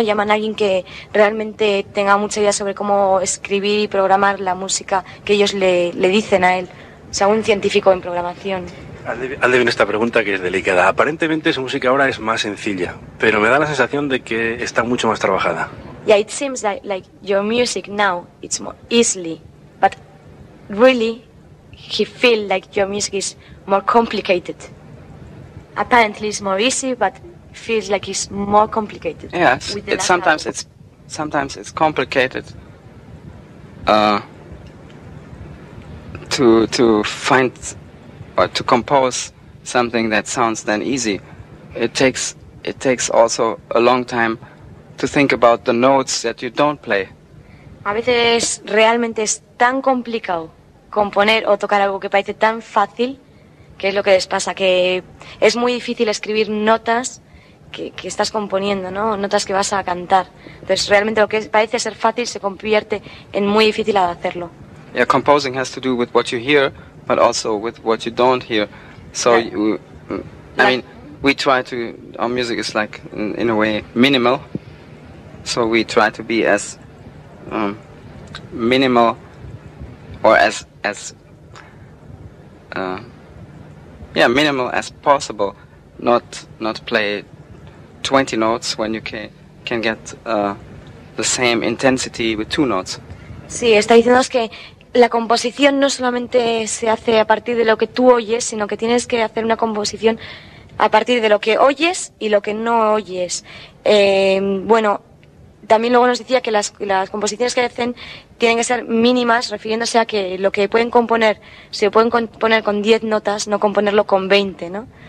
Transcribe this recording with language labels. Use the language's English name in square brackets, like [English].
[Spanish] Llaman a alguien que realmente tenga mucha idea sobre cómo escribir y programar la música que ellos le dicen a él. O sea, un científico en programación. Hazle bien esta pregunta que es delicada. Aparentemente su música ahora es más sencilla, pero me da la sensación de que está mucho más trabajada. [English] Yeah, it seems that, like your music now it's more easily, but really he feel like your music is more complicated. Apparently it's more easy, but feels like it's more complicated. Yes, it's sometimes album. Sometimes it's complicated to find or to compose something that sounds then easy. It takes also a long time to think about the notes that you don't play. [Spanish] A veces realmente es tan complicado componer o tocar algo que parece tan fácil, que es lo que les pasa, que es muy difícil escribir notas que estás componiendo, ¿no? Notas que vas a cantar. Entonces, realmente lo que parece ser fácil se convierte en muy difícil al hacerlo. [English] Yeah, composing has to do with what you hear, but also with what you don't hear. So, I mean, we try to, our music is like, in a way, minimal. So we try to be as minimal or as minimal as possible, not play 20 notes when you can get the same intensity with 2 notes. [Spanish] Sí, está diciendo que la composición no solamente se hace a partir de lo que tú oyes, sino que tienes que hacer una composición a partir de lo que oyes y lo que no oyes. Bueno, también luego nos decía que las composiciones que hacen tienen que ser mínimas, refiriéndose a que lo que pueden componer, si lo pueden componer con 10 notas, no componerlo con 20, ¿no?